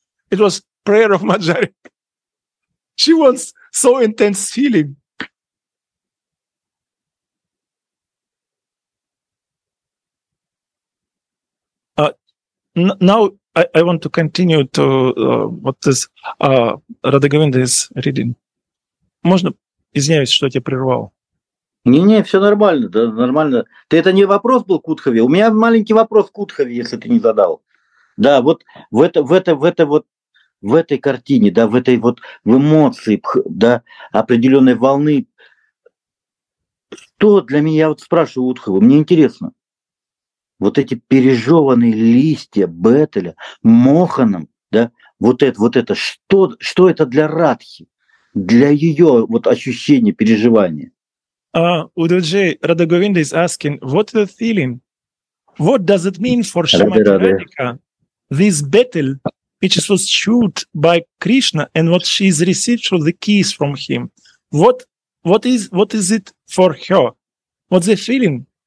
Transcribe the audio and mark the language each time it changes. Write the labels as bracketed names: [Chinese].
[English] It was prayer of Manjari. She wants so intense feeling. Now I want to continue to what this Radha Govinda is reading. [Russian] Можно? Извиняюсь, что я тебя прервал. Не-не, все нормально, да, нормально. Ты это не вопрос был к Удхове? У меня маленький вопрос к Удхове, если ты не задал. Да, вот в этой картине, да, в этой вот в эмоции, да, определенной волны. Что для меня, я вот спрашиваю Удхова, мне интересно, вот эти пережеванные листья бетеля, моханом, да, вот это, что это для Радхи, для ее вот ощущения, переживания? [English] Удхаджи, Радха Говинда is asking, what the feeling? What does it mean for Shrimati Radhika, this betel? Which was chewed by Krishna, and what she is received through the keys from him. What is it for her? What's the feeling?